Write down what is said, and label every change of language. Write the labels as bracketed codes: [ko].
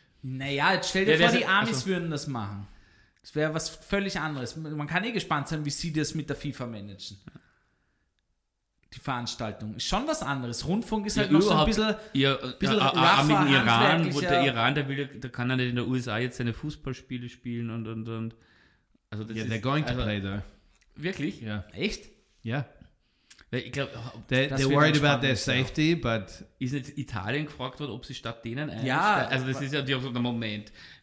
[de] Naja, jetzt stell dir vor, die Amis würden das machen. Das wäre was völlig anderes. Man kann eh gespannt sein, wie sie das mit der FIFA managen. Die Veranstaltung ist schon was anderes. Rundfunk ist halt noch so ein bisschen raffer, im Iran, wo der Iran, der kann ja nicht in der USA jetzt seine Fußballspiele spielen und. Also das [en] they're going to play though. [de] Wirklich? Ja. Echt? Ja. Weil ich glaube, [en] they're worried about their safety, but... [de] Ist nicht Italien gefragt worden, ob sie statt denen ein... Ja. Also das ist ja die so der Moment.